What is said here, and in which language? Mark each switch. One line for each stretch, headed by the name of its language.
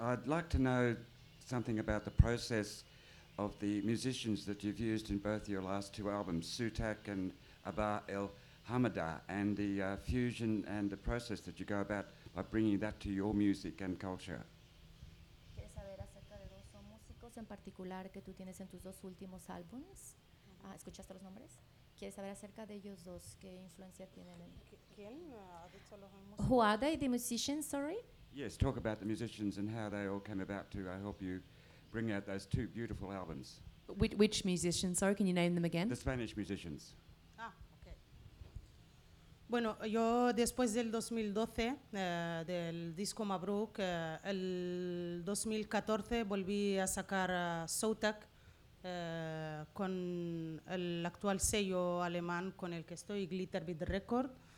English: I'd like to know something about the process of the musicians that you've used in both your last two albums, Sutak and Aba El Hamada, and the fusion and the process that you go about by bringing that to your music and culture.
Spanish: ¿Quieres saber acerca de dos músicos en particular que tú tienes en tus dos últimos álbums? ¿Escuchaste los nombres? ¿Quieres saber acerca de ellos dos? ¿Qué influencia tienen? ¿Quién ha dicho los músicos?
English: Who are they, the musicians, sorry? Yes, talk about the musicians and how they all came about to help you bring out those two beautiful albums. Which musicians, sorry, can you name them again? The Spanish musicians. Ah, okay.
Spanish: Bueno, yo después del 2012, del disco Mabruk, el 2014 volví a sacar Sotak, con el actual sello alemán con el que estoy, Glitterbeat Record.